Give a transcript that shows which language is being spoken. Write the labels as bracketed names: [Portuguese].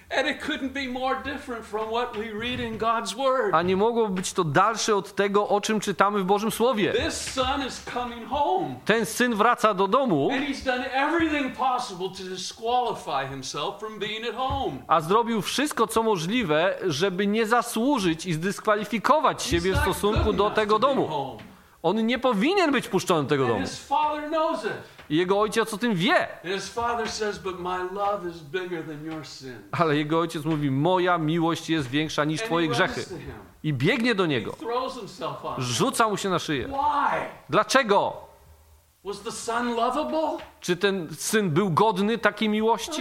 [English] And it couldn't be more different from what we read in God's Word. [Polish] A nie mogłoby być to dalsze od tego, o czym czytamy w Bożym Słowie. [English] This son is coming home. [Polish] Ten syn wraca do domu. [English] And he's done everything possible to disqualify himself from being at home. [Polish] A zrobił wszystko, co możliwe, żeby nie zasłużyć i zdyskwalifikować siebie w stosunku do tego domu. On nie powinien być puszczony do tego domu. [English] His father knows it. [Polish] I jego ojciec o tym wie. [English] His father says, but my love is bigger than your sins. [Polish] Ale jego ojciec mówi, moja miłość jest większa niż twoje grzechy. I biegnie do niego. Rzuca mu się na szyję. [English] Why? [Polish] Dlaczego? [English] Was the son lovable? [Polish] Czy ten syn był godny takiej miłości?